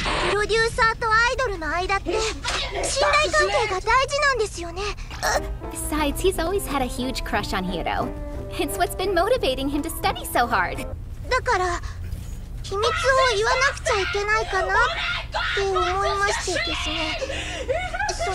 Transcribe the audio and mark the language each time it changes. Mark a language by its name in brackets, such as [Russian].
[Japanese] プロデューサーとアイドルの間って信頼関係が大事なんですよね。 [English] Besides, he's always had a huge crush on Hiro. It's what's been motivating him to study so hard. [Japanese] だから秘密を言わなくちゃいけないかなって思いましてですね。